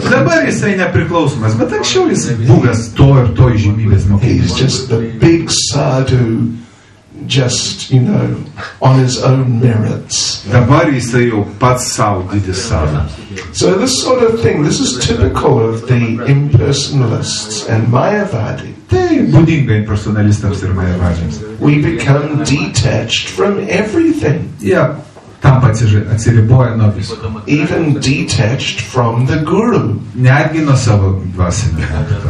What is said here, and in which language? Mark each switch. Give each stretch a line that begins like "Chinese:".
Lithuanian: Dabar jisai nepriklausomas, bet anksčiau jis buvęs to ir to žymybės mokinys.
English: He's just the big sadhu, just, you know, on his own merits.
Lithuanian: Dabar jisai jau pats savo didis sadhu.
English: So this sort of thing, this is typical of the impersonalists and Mayavadi.
Lithuanian: Tai būdinga impersonalistams ir Mayavadžiams.
English: We become detached from everything.
Lithuanian: Yeah. Tampa atsiriboja nuo visko.
English: Even detached from the guru.
Lithuanian: Netgi nuo savo dvasinio.